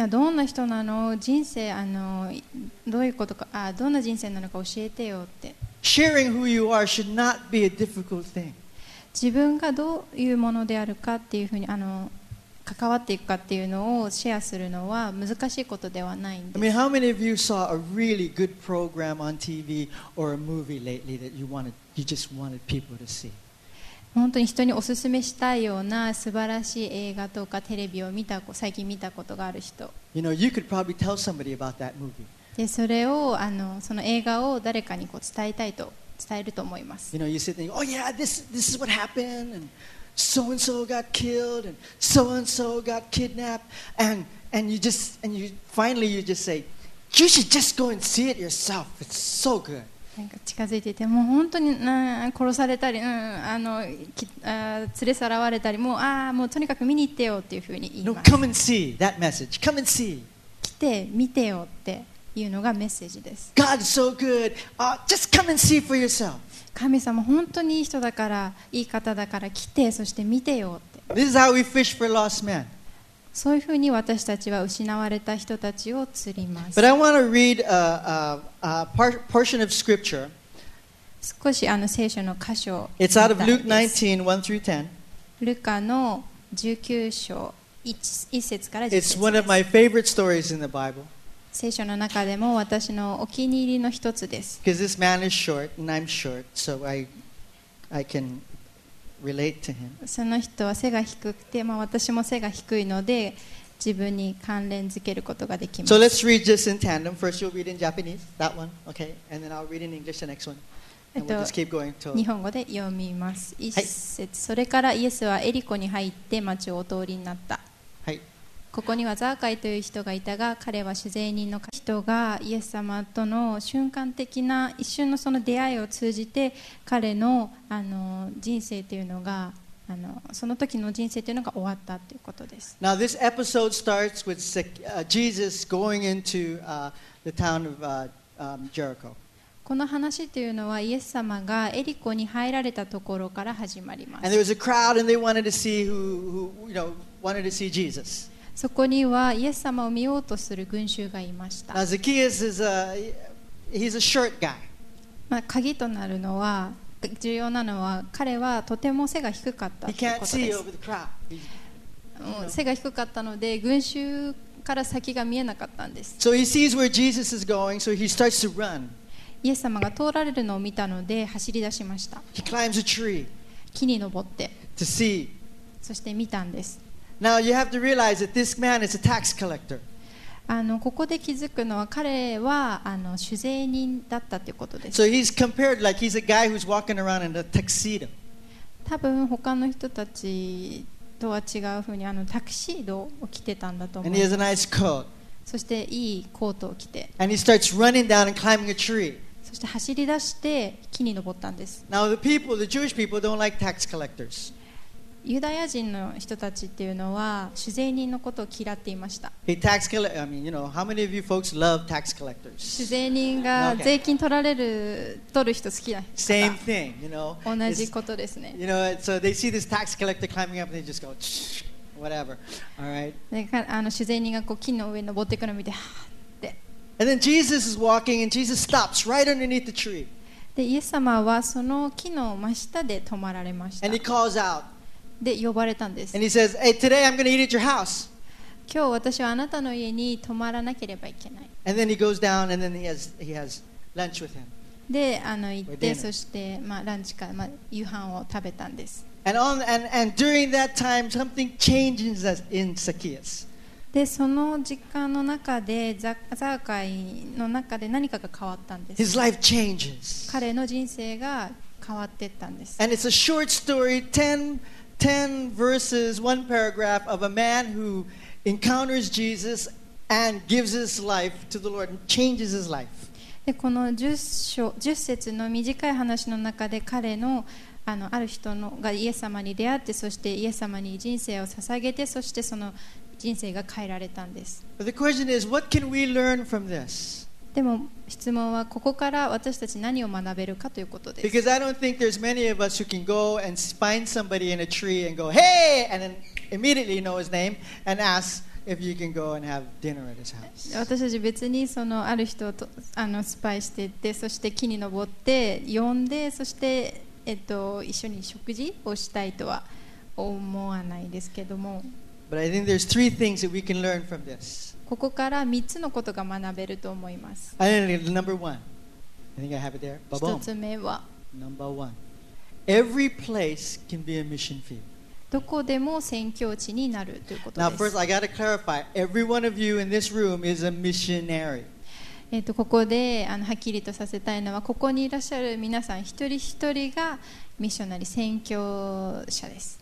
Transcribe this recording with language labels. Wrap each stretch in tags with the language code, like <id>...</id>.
<ja>はどんな人なの、人生どういうことか、どんな人生なのか教えてよって。</ja> <en>Sharing who you are should not be a difficult thing.</en> <ja>自分がどういうものであるかっていうふうに関わっていくかっていうのをシェアするのは難しいことではないんです。</ja> <en>I mean, how many of you saw a really good program on TV or a movie lately that you wanted, you just wanted people to see?</en> <ja>本当に人におすすめしたいような素晴らしい映画とかテレビを見た、最近見たことがある人。</ja> <en>You know, you could probably tell somebody about that movie.</en> <ja>で、それをその映画を誰かにこう伝えると思います。</ja> <en>You know, you sit there, oh yeah, this is what happened. And... So-and-so got killed and so-and-so got kidnapped and you finally you just say you should just go and see it yourself. It's so good.</en> <ja>なんか近づいていて、もう本当に殺されたり、連れ去られたり、もうとにかく見に行ってよっていうふうに言います。</ja> <en>No, come and see that message. Come and see.</en> <ja>来て見てよっていうのがメッセージです。</ja> <en>God is so good. Just come and see for yourself.</en> <ja>神様本当にいい人だから、いい方だから来て、そして見てよって。</ja> <en>This is how we fish for lost men.</en> <ja>そういうふうに私たちは失われた人たちを釣ります。</ja> <en>But I want to read a portion of scripture.</en> <ja>少し聖書の箇所。</ja> <en>It's out of Luke 19, 1 through 10.</en> <ja>ルカの19章1節から10 節です。</ja> <en>It's one of my favorite stories in the Bible.</en> <ja>聖書の中でも私のお気に入りの一つです。</ja> <en>Because this man is short and I'm short, so I can relate to him. その人は背が低くて、私も背が低いので自分に関連付けることができます。 So let's read just in tandem. First you'll read in Japanese, that one, okay? And then I'll read in English the next one. And we'll just keep going to...</en> <ja>日本語で読みます。一節、はい。それからイエスはエリコに入って町をお通りになった。はい。ここにはザーカイという人がいたが、彼は主税人の人がイエス様との瞬間的な一瞬のその出会いを通じて、彼の人生というのがその時の人生というのが終わったということです。</ja> <en>Now this episode starts with Jesus going into the town of Jericho.</en> <ja>この話というのはイエス様がエリコに入られたところから始まります。</ja> <en>And there was a crowd and they wanted to see who you know, wanted to see Jesus.</en> <ja>そこにはイエス様を見ようとする群衆がいました。</ja> <en>Now, Zacchaeus is a, he's a short guy.</en> <ja>鍵となるのは、重要なのは、彼はとても背が低かったということです。</ja> <en>He can't see over the crowd.</en> <ja>もう背が低かったので、群衆から先が見えなかったんです。</ja> <en>So he sees where Jesus is going, so he starts to run.</en> <ja>イエス様が通られるのを見たので、走り出しました。</ja> <en>He climbs a tree.</en> <ja>木に登って。</ja> <en>To see.</en> <ja>そして見たんです。</ja> <en>Now you have to realize that this man is a tax collector.</en> <ja>ここで気づくのは彼は主税人だったということです。</ja> <en>So he's compared like he's a guy who's walking around in a tuxedo.</en> <ja>多分他の人たちとは違うふうにタクシードを着てたんだと思う。</ja> <en>And he has a nice coat.</en> <ja>そしていいコートを着て。</ja> <en>And he starts running down and climbing a tree.</en> <ja>そして走り出して木に登ったんです。</ja> <en>Now the people, the Jewish people, don't like tax collectors.</en> <ja>ユダヤ人の人たちっていうのは主税人のことを嫌っていました。</ja> <en>Hey, tax collector, I mean, you know, how many of you folks love tax collectors?</en> <ja>主税人が税金取る人好きな人。</ja> <en>Same thing, you know.</en> <ja>同じことですね。</ja> <en>You know, so they see this tax collector climbing up and they just go, whatever. All right.</en> <ja>主税人がこう木の上に登っていくのを見て、はーって。</ja> <en>And then Jesus is walking and Jesus stops right underneath the tree.</en> <ja>で、イエス様はその木の真下で止まられました。</ja> <en>And he calls out.</en> <ja>で呼ばれたんです。</ja> <en>And he says, "Hey, today I'm going to eat at your house."</en> <ja>今日私はあなたの家に泊まらなければいけない。</ja> <en>And then he goes down, and then he has lunch with him.</en> <ja>で行って、そしてランチか夕飯を食べたんです。</ja> <en>And during that time, something changes in Zacchaeus.</en> <ja>でその時間の中でザーカイの中で何かが変わったんです。</ja> <en>His life changes.</en> <ja>彼の人生が変わっていったんです。</ja> <en>And it's a short story, 10 10 verses, one paragraph of a man who encounters Jesus and gives his life to the Lord and changes his life.</en> <ja>でこの 10節の短い話の中で彼の、あの、ある人のがイエス様に出会って、そしてイエス様に人生を捧げて、そしてその人生が変えられたんです。</ja> <en>But the question is, what can we learn from this?</en> <ja>でも質問はここから私たち何を学べるかということです。</ja> <en>Because I don't think there's many of us who can go and find somebody in a tree and go, hey! And then immediately know his name and ask if you can go and have dinner at his house.</en> <ja>私たち別にそのある人をと、あの、スパイしていって、そして木に登って呼んで、そして、一緒に食事をしたいとは思わないですけども。</ja> <en>But I think there's three things that we can learn from this.</en> <ja>ここから三つのことが学べると思います。</ja> <en>I think number one, I think I have it there.</en> <ja>一つ目は、</ja> <en>Number one, every place can be a mission field.</en> <ja>どこでも宣教地になるということです。</ja> <en>Now, first, I gotta clarify. Every one of you in this room is a missionary.</en> <ja>ここで、あの、はっきりとさせたいのは、ここにいらっしゃる皆さん一人一人がミッショナリー、宣教者です。</ja>